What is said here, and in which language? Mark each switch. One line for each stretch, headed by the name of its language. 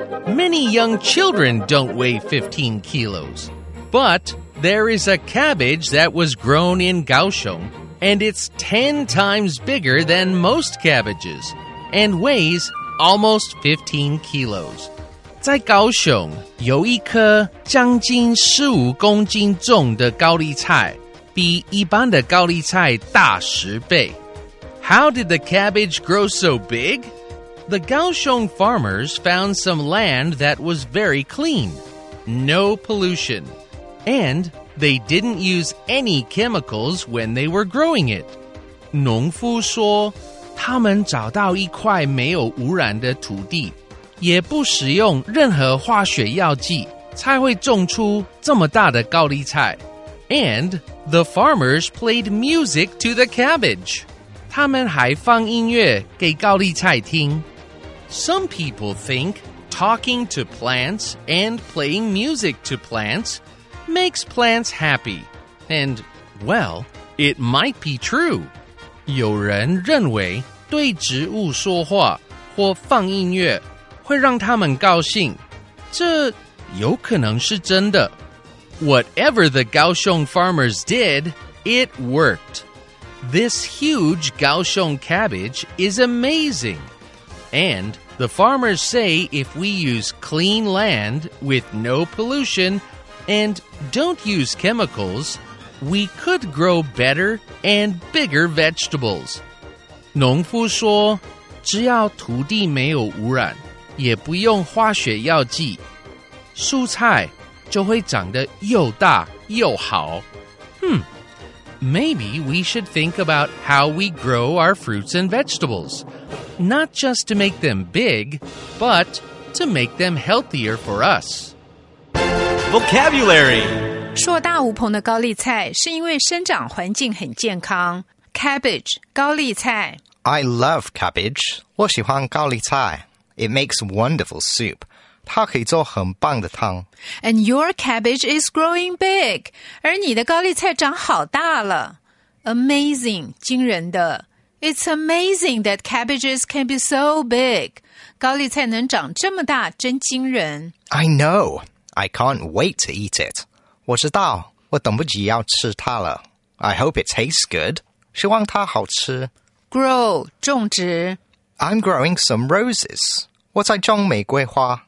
English: Many young children don't weigh 15 kilos. But there is a cabbage that was grown in Kaohsiung, and it's 10 times bigger than most cabbages, and weighs almost 15 kilos.
Chinese: 在高雄有一棵将近15公斤重的高丽菜，比一般的高丽菜大10倍。
English: How did the cabbage grow so big? The Kaohsiung farmers found some land that was very clean, no pollution, and they didn't use any chemicals when they were growing it.
Chinese: 农夫说，他们找到一块没有污染的土地，也不使用任何化学药剂，才会种出这么大的高丽菜。
English: And the farmers played music to the cabbage.
Chinese: 他们还放音乐给高丽菜听。
English: Some people think talking to plants and playing music to plants makes plants happy. And, well, it might be true.
Chinese: 有人认为对植物说话或放音乐会让他们高兴。这有可能是真的。
English: Whatever the Kaohsiung farmers did, it worked. This huge Kaohsiung cabbage is amazing. And the farmers say if we use clean land with no pollution and don't use chemicals, we could grow better and bigger vegetables.
Chinese: 农夫说，只要土地没有污染，也不用化学药剂，蔬菜就会长得又大又好。
English: Maybe we should think about how we grow our fruits and vegetables. Not just to make them big, but to make them healthier for us. Vocabulary.
Chinese: 硕大无朋的高丽菜是因为生长环境很健康。
English: Cabbage, 高丽菜。 I love cabbage.
Chinese: 我喜欢高丽菜。
English: It makes wonderful soup.
Chinese: 它可以做很棒的汤。
English: And your cabbage is growing big.
Chinese: 而你的高丽菜长好大了。
English: Amazing, 惊人的。 It's amazing that cabbages can be so big.
Chinese: 高丽菜能长这么大真惊人。
English: I know. I can't wait to eat it.
Chinese: 我知道我等不及要吃它了。
English: I hope it tastes good.
Chinese: 希望它好吃。
English: Grow, 种植。 I'm growing some roses.
Chinese: 我在种玫瑰花。